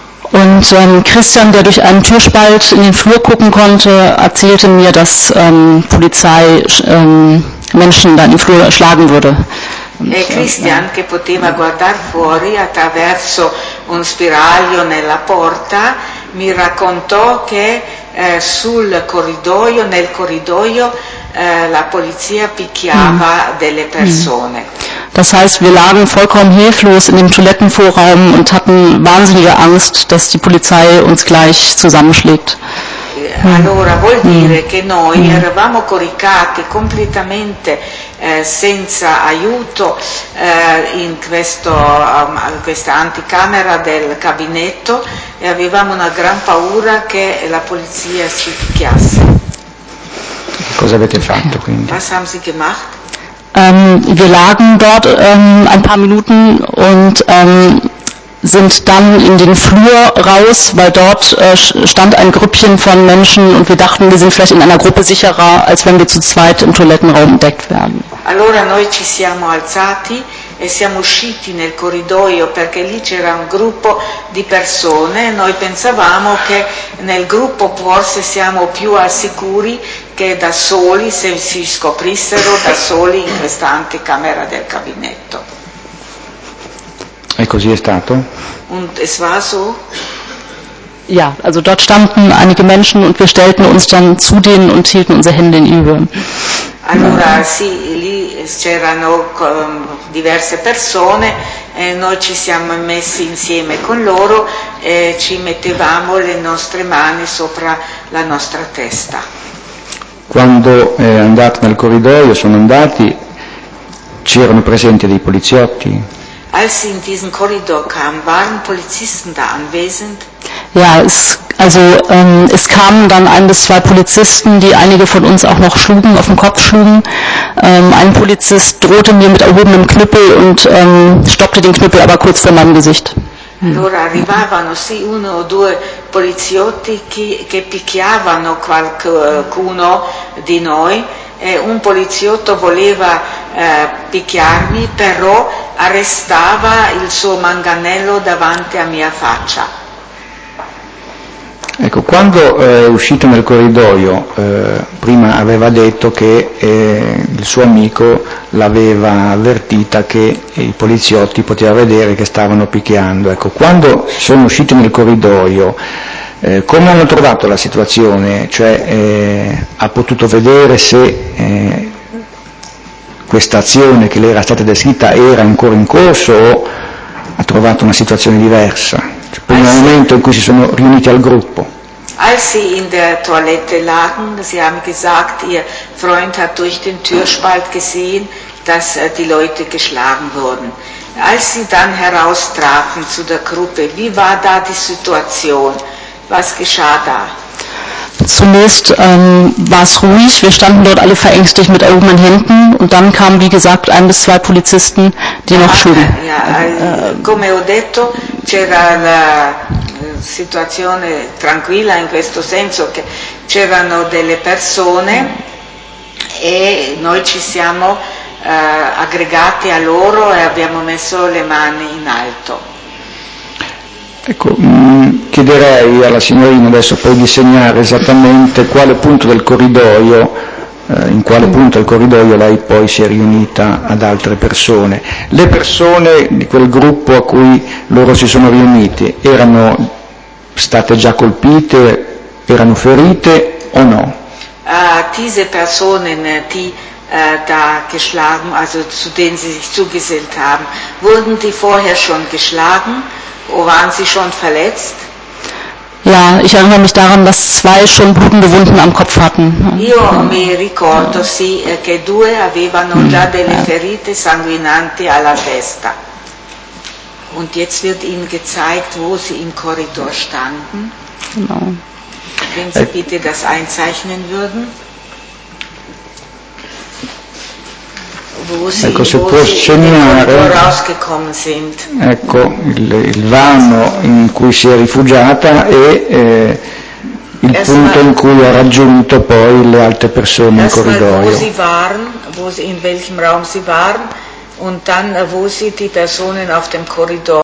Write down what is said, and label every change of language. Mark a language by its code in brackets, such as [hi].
[de] Und Christian, der durch einen Türspalt in den Flur gucken konnte, erzählte mir, dass Polizei Menschen da in den Flur schlagen würde. [it] E Christian, che poteva guardare fuori attraverso un spiraglio nella porta, mi raccontò che sul corridoio, nel corridoio, la polizia picchiava delle persone. [de] Das heißt, wir lagen vollkommen hilflos in dem Toilettenvorraum und hatten wahnsinnige Angst, dass die Polizei uns gleich zusammenschlägt. [it] Allora vuol dire che noi eravamo coricati completamente senza aiuto in questo questa anticamera del cabinetto e avevamo una gran paura che la polizia ci picchiasse. Cosa avete fatto quindi? [de] Was haben Sie gemacht? Wir lagen dort ein paar Minuten und sind dann in den Flur raus, weil dort stand ein Grüppchen von Menschen und wir dachten, wir sind vielleicht in einer Gruppe sicherer, als wenn wir zu zweit im Toilettenraum entdeckt werden. [it] Allora noi ci siamo alzati e siamo usciti nel corridoio perché lì c'era un gruppo di persone e noi pensavamo che nel gruppo forse siamo più al sicuri che da soli, se si scoprissero da soli in questa anticamera del cabinetto. E così è stato? [de] Und es war so? Ja, also dort standen einige Menschen und wir stellten uns dann zu denen und hielten unsere Hände in Übe. [it] Allora, sì, lì c'erano diverse persone e noi ci siamo messi insieme con loro e ci mettevamo le nostre mani sopra la nostra testa. Quando è andato nel corridoio, sono andati, c'erano presenti dei poliziotti? [de] Als sie in diesen Korridor kamen, waren Polizisten da anwesend? Ja, es kamen dann 1 bis 2 Polizisten, die einige von uns auch noch schlugen, auf den Kopf schlugen. Ein Polizist drohte mir mit erhobenem Knüppel und stoppte den Knüppel aber kurz vor meinem Gesicht. [it] Allora arrivavano sì 1 o 2 poliziotti che picchiavano qualcuno di noi e un poliziotto voleva picchiarmi però arrestava il suo manganello davanti a mia faccia. Ecco, quando è uscito nel corridoio, prima aveva detto che il suo amico l'aveva avvertita che i poliziotti potevano vedere che stavano picchiando. Ecco, quando sono usciti nel corridoio, come hanno trovato la situazione? Cioè, ha potuto vedere se questa azione che le era stata descritta era ancora in corso o ha trovato una situazione diversa? Per il momento in cui si sono riuniti al gruppo. [de] Als sie in der Toilette lagen, sie haben gesagt, ihr Freund hat durch den Türspalt gesehen, dass die Leute geschlagen wurden. Als sie dann heraustraten zu der Gruppe, wie war da die Situation? Was geschah da? Zunächst war es ruhig, wir standen dort alle verängstigt mit erhobenen Händen und dann kamen, wie gesagt, 1 bis 2 Polizisten, die noch schlugen. [it] Ja, come ho detto, c'era la situazione tranquilla in questo senso che c'erano delle persone e noi ci siamo aggregati a loro e abbiamo messo le mani in alto. Ecco, chiederei alla signorina adesso poi di segnare esattamente quale punto del corridoio, in quale punto del corridoio lei poi si è riunita ad altre persone. Le persone di quel gruppo a cui loro si sono riuniti erano state già colpite, erano ferite o no? [de] Diese Personen, die da geschlagen, also zu denen sie sich zugesellt haben, wurden die vorher schon geschlagen? Waren sie schon verletzt? Ja, ich erinnere mich daran, dass 2 schon blutende Wunden am Kopf hatten. [it] Io mi ricordo sì che 2 avevano già delle ferite sanguinanti alla testa. [de] Und jetzt wird Ihnen gezeigt, wo Sie im Korridor standen. Genau. Wenn Sie bitte das einzeichnen würden. [it] ecco, se può accennare, ecco, il vano in cui si è rifugiata e il punto in cui ha raggiunto poi le altre persone in corridoio. [de] In welchem Raum sie waren und dann wo sie die Personen auf dem Korridor